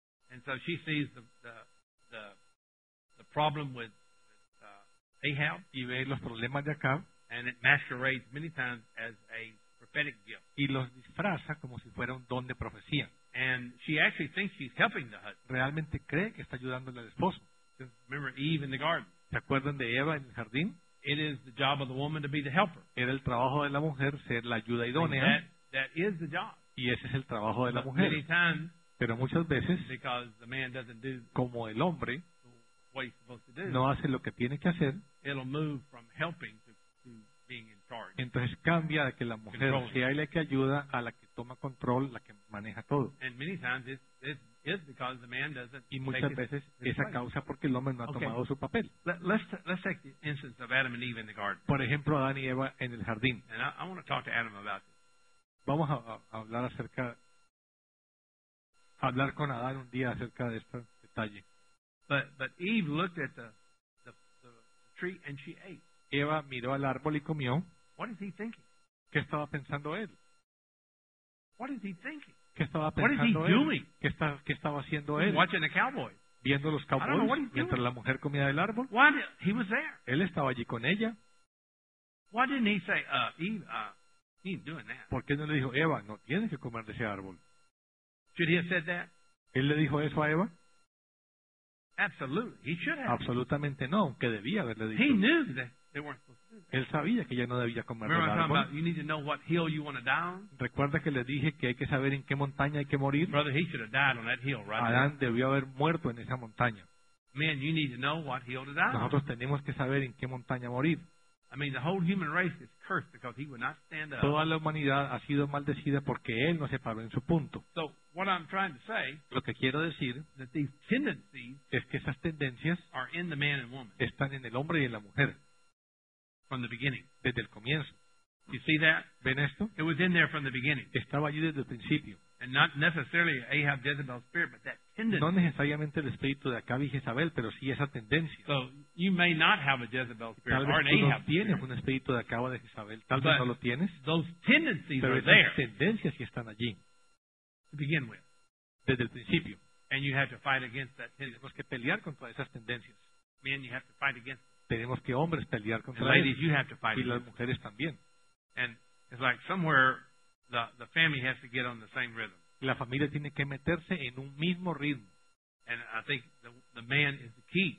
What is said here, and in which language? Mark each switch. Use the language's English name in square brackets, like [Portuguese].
[English] And so she sees the problem with Ahab, [Spanish] y ve los problemas de Acab, [English] and it masquerades many times as a prophetic gift. [Spanish] Y los disfraza como si fuera un don de profecía. [English] And she actually thinks she's helping the husband. [Spanish] Realmente cree que está ayudándole al esposo. [English] Remember Eve in the garden. [Spanish] ¿Se acuerdan de Eva en el jardín? [English] It is the job of the woman to be the helper. [Spanish] Era el trabajo de la mujer ser la ayuda idónea. [English] That is the job. [Spanish] Y ese es el trabajo de la mujer. [English] Many times, [Spanish] pero muchas veces, [English] because the man doesn't do, [Spanish] como el hombre, [English] what he's supposed to do, [Spanish] no hace lo que tiene que hacer, [English] it'll move from helping to being in charge. [Spanish] Entonces cambia de que la mujer sea la que ayuda a la que toma control, la que maneja todo. [English] And many times it's because the man doesn't. [Spanish] Y muchas veces esa causa porque el hombre no ha tomado su papel. [English] Let's take the instance of Adam and Eve in the garden. [Spanish] Por ejemplo, Adán y Eva en el jardín. [English] And I want to talk to Adam about this. [Spanish] Vamos a hablar acerca, hablar con Adán un día acerca de este detalle. [English] But Eve looked at the tree and she ate. [Spanish] Eva miró al árbol y comió. [English] What is he thinking? [Spanish] ¿Qué estaba pensando él? [English] What is he thinking? [Spanish] ¿Qué estaba pensando él? [English] What is he doing? [Spanish] ¿Qué estaba haciendo él? [English] Watching the cowboys. [Spanish] Viendo los cowboys mientras la mujer comía del árbol. [English] Why he was there? [Spanish] Él estaba allí con ella. [English] Why didn't he say, Eve, he ain't doing that? [Spanish] ¿Por qué no le dijo Eva, no tienes que comer de ese árbol? [English] Should he have said that? [Spanish] ¿Él le dijo eso a Eva? [English] Absolutely, he should have. [Spanish] Absolutamente no, aunque debía haberle dicho. [English] He knew that they weren't supposed to do that. [Spanish] Él sabía que ya no debía comer del árbol. [English] Remember, I'm talking about you need to know what hill you want to die on. [Spanish] Recuerda que le dije que hay que saber en qué montaña hay que morir. [English] Brother, he should have died on that hill, right? [Spanish] Adán debió haber muerto en esa montaña. [English] Man, you need to know what hill to die on. [Spanish] Nosotros tenemos que saber en qué montaña morir. [English] I mean, the whole human race is cursed because he would not stand up. [Spanish] Toda la humanidad ha sido maldecida porque él no se paró en su punto. [English] So, what I'm trying to say, [Spanish] lo que quiero decir, [English] that these tendencies, [Spanish] es que esas tendencias, [English] are in the man and woman, [Spanish] están en el hombre y en la mujer, [English] from the beginning, [Spanish] desde el comienzo. [English] You see that? [Spanish] ¿Ven esto? [English] It was in there from the beginning. [Spanish] Estaba allí desde el principio. [English] And not necessarily Ahab, Jezebel's spirit, but that tendency. [Spanish] No necesariamente el espíritu de Acab y Jezabel, pero sí esa tendencia. [English] So you may not have a Jezebel spirit [Spanish] tal [English] or an Ahab spirit. [Spanish] Tienes un espíritu de Acab o de Jezabel, tal vez no lo tienes. [English] Those tendencies [Spanish] pero [English] are there. [Spanish] Pero esas tendencias sí están allí. [English] To begin with. [Spanish] Desde el principio. [English] And you have to fight against that tendency. [Spanish] Tenemos que pelear contra esas tendencias. [English] Men, you have to fight against them. [Spanish] Tenemos que hombres pelear contra ellas. [English] Ladies, you have to fight [Spanish] y las mujeres también. [English] And it's like somewhere the family has to get on the same rhythm. [Spanish] La familia tiene que meterse en un mismo ritmo. [English] And I think the man is the key.